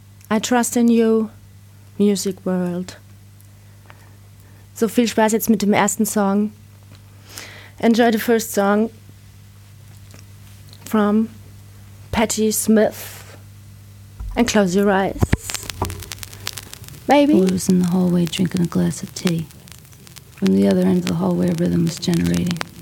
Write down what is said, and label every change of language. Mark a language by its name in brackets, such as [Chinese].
[English] I trust in you, music world. [German] So viel Spaß jetzt mit dem ersten Song. [English] Enjoy the first song from Patti Smith. And close your eyes. Maybe. Wood was in the hallway drinking a glass of tea. From the other end of the hallway, a rhythm was generating.